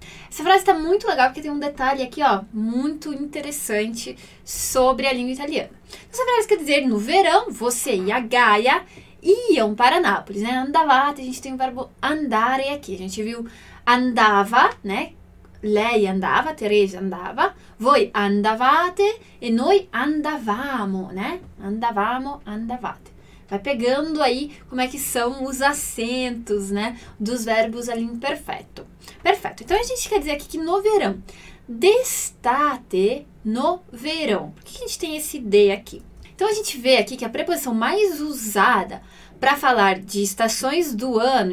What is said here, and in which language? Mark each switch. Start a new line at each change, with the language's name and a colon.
Portuguese: Essa frase está muito legal porque tem um detalhe aqui, ó, muito interessante sobre a língua italiana. Essa frase quer dizer, no verão, você e a Gaia iam para Nápoles, né? Andavate, a gente tem o verbo andare aqui. A gente viu andava, né?
Italian: Lei andava, Teresa andava. Voi andavate e noi andavamo, né? Andavamo, andavate.
Portuguese: Vai pegando aí como é que são os acentos, né, dos verbos ali em perfeito. Perfeito. Então, a gente quer dizer aqui que no verão. D'estate, no verão. Por que a gente tem esse D aqui? Então, a gente vê aqui que a preposição mais usada para falar de estações do ano.